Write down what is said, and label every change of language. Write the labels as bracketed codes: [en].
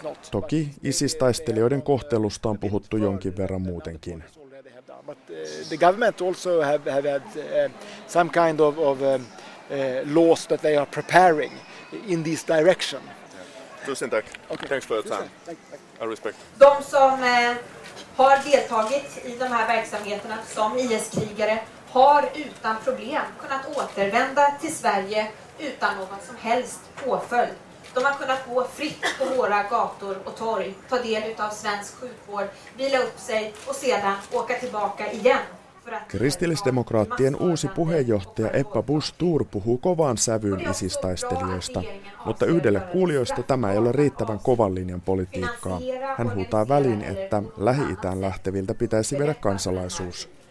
[fi] Toki ISIS-taistelijoiden kohtelusta on puhuttu jonkin verran muutenkin. [en] But the government also have had some kind of laws that they are preparing in this direction. [sv] Tusen tack. [en] Okay. Thanks for your time. I respect. [sv] De som har deltagit i de här verksamheterna som IS-krigare har utan problem kunnat återvända till Sverige utan någon som helst påföljd. De har kunnat gå fritt på våra gator och torg, ta del av svensk sjukvård, vila upp sig och sedan åka tillbaka igen. [fi] Kristillisdemokraattien uusi puheenjohtaja Ebba Busch Thor puhuu kovaan sävyyn ISIS-taistelijoista, mutta yhdelle kuulijoista tämä ei ole riittävän kovan linjan politiikkaa. Hän huutaa väliin, että Lähi-itään lähteviltä pitäisi viedä kansalaisuus.